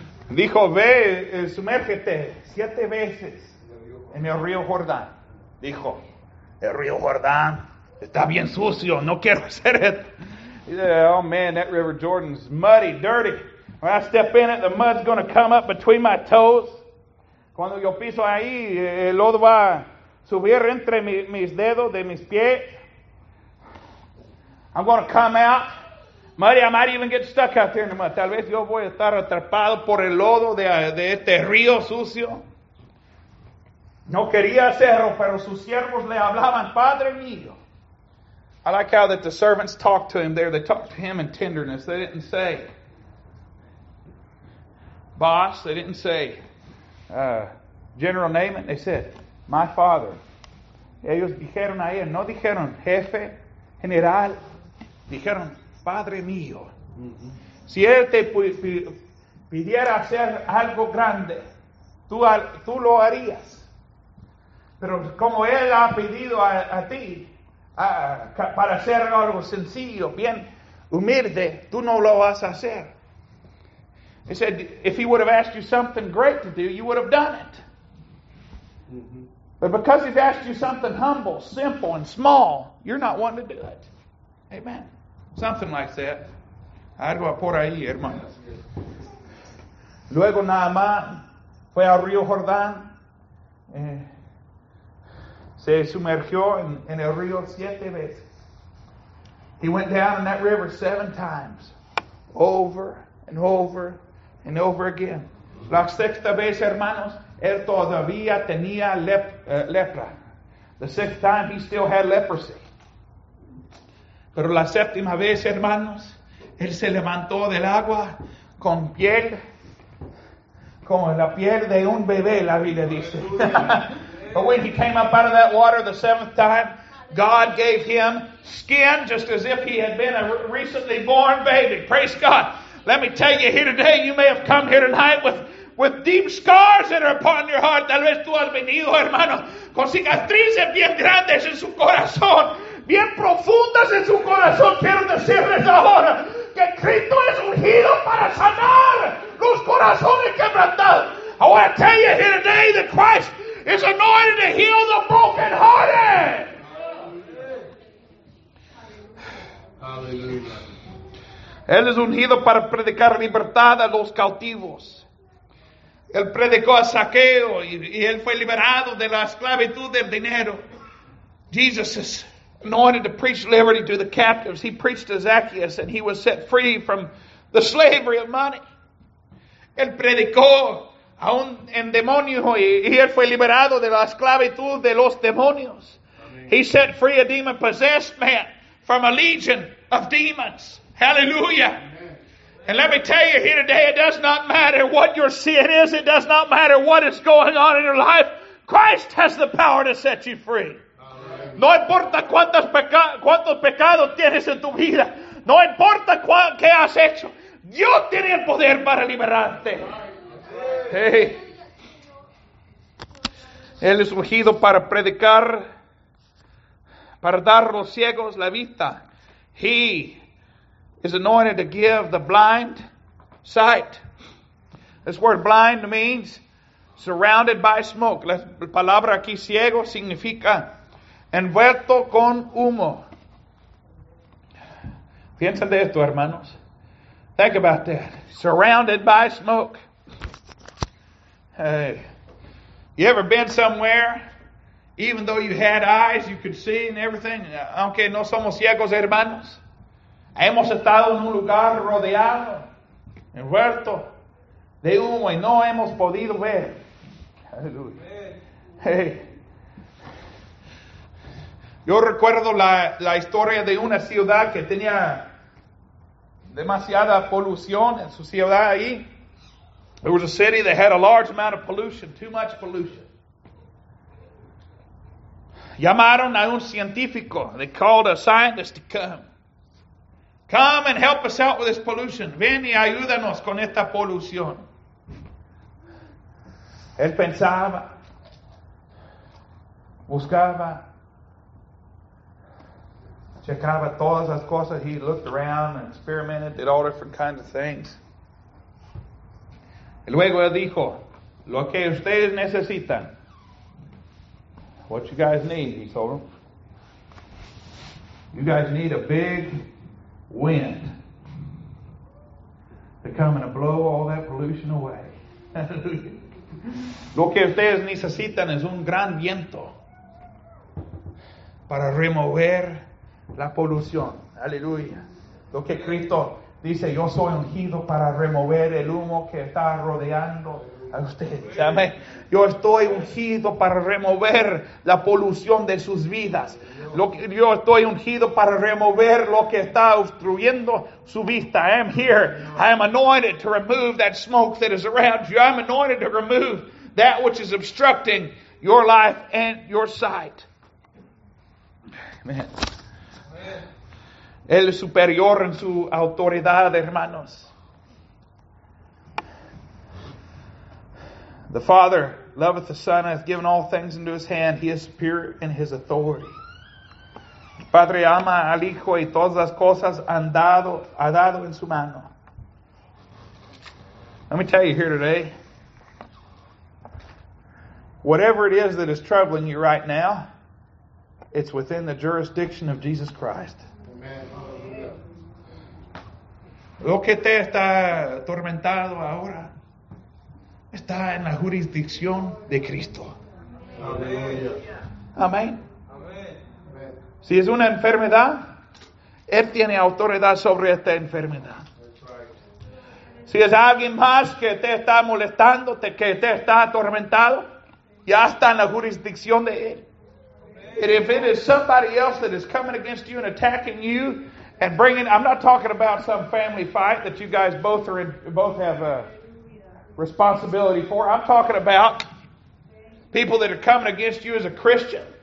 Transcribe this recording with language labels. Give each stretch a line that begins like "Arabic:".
Spanish: Dijo, ve, sumérgete siete veces en el río Jordán. Dijo, el río Jordán está bien sucio, no quiero hacer esto.
English: He said, oh man, that River Jordan's muddy, dirty. When I step in it, the mud's going to come up between my toes.
Spanish: Cuando yo piso ahí, el lodo va a subir entre mis dedos de mis pies.
English: I'm going to come out muddy. I might even get stuck out there in the mud.
Spanish: Tal vez yo voy a estar atrapado por el lodo de este río sucio. No quería hacerlo, pero sus siervos le hablaban, Padre mío.
English: I like how that the servants talked to him there. They talked to him in tenderness. They didn't say, boss. They didn't say, General Naaman. They said, my father.
Spanish: Ellos dijeron a él. No dijeron, jefe, general. Dijeron, padre mío. Si él te pidiera hacer algo grande, tú lo harías. Pero como él ha pedido a ti, para hacer algo sencillo, bien humilde, tú no lo vas a hacer.
English: He said, if he would have asked you something great to do, you would have done it. But because he's asked you something humble, simple, and small, you're not wanting to do it. Amen. Something like that.
Spanish: Algo por ahí, hermano. Luego Naamán fue al río Jordán. Se sumergió en el río siete veces.
English: He went down in that river seven times. Over and over and over again.
Spanish: La sexta vez, hermanos, él todavía tenía lepra.
English: The sixth time, he still had leprosy.
Spanish: Pero la séptima vez, hermanos, él se levantó del agua con piel, como la piel de un bebé, la Biblia dice.
English: But when he came up out of that water the seventh time, God gave him skin just as if he had been a recently born baby. Praise God. Let me tell you here today, you may have come here tonight with deep scars that are upon your heart.
Spanish: Tal vez tú has venido, hermano, con cicatrices bien grandes en su corazón, bien profundas en su corazón. Quiero decirles ahora que Cristo es ungido para sanar los corazones quebrantados.
English: I want to tell you here today that Christ is anointed to heal the brokenhearted.
Spanish: Él es ungido para predicar libertad a los cautivos. Él predicó a Zaqueo y él fue liberado de la esclavitud del dinero.
English: Jesus is anointed to preach liberty to the captives. He preached to Zacchaeus and he was set free from the slavery of money.
Spanish: Él predicó a un endemonio y él fue liberado de la esclavitud de los demonios.
English: He set free a demon-possessed man from a legion of demons. Hallelujah. And let me tell you here today, it does not matter what your sin is. It does not matter what is going on in your life. Christ has the power to set you free.
Spanish: No importa cuántos pecados tienes en tu vida. No importa qué has hecho. Dios tiene el poder para liberarte.
English: Hey.
Spanish: Él es ungido para predicar, para dar a los ciegos la vista.
English: He is anointed to give the blind sight. This word blind means surrounded by smoke.
Spanish: La palabra aquí ciego significa envuelto con humo. Piensa de esto, hermanos.
English: Think about that. Surrounded by smoke. Hey, you ever been somewhere? Even though you had eyes, you could see and everything.
Spanish: Aunque no somos ciegos, hermanos. Hemos estado en un lugar rodeado, envuelto de humo y no hemos podido ver. Aleluya. Hey. Yo recuerdo la historia de una ciudad que tenía demasiada polución en su ciudad ahí.
English: There was a city that had a large amount of pollution, too much pollution.
Spanish: Llamaron a un científico.
English: They called a scientist to come. Come and help us out with this pollution.
Spanish: Ven y ayúdanos con esta polución. Él pensaba, buscaba, checaba todas las cosas.
English: He looked around and experimented, did all different kinds of things.
Spanish: Y luego él dijo, lo que ustedes necesitan.
English: What you guys need, he told them. You guys need a big wind to come and blow all that pollution away.
Spanish: Lo que ustedes necesitan es un gran viento para remover la polución. Aleluya. Lo que Cristo dice, yo soy ungido para remover el humo que está rodeando a ustedes. Amén. Yo estoy ungido para remover la polución de sus vidas. Yo estoy ungido para remover lo que está obstruyendo su vista.
English: I am here. I am anointed to remove that smoke that is around you. I am anointed to remove that which is obstructing your life and your sight.
Spanish: Amén. Él es superior en su autoridad, hermanos.
English: The Father loveth the Son and hath given all things into his hand. He is superior in his authority.
Spanish: El Padre ama al Hijo y todas las cosas ha dado en su mano.
English: Let me tell you here today, whatever it is that is troubling you right now, it's within the jurisdiction of Jesus Christ. Amen.
Spanish: Lo que te está atormentado ahora está en la jurisdicción de Cristo. Amén. Amén. Amén. Si es una enfermedad, Él tiene autoridad sobre esta enfermedad. Si es alguien más que te está molestando, que te está atormentado, ya está en la jurisdicción de Él.
English: And if it is somebody else that is coming against you and attacking you and bringing, I'm not talking about some family fight that you guys both are in, both have responsibility for. I'm talking about people that are coming against you as a Christian.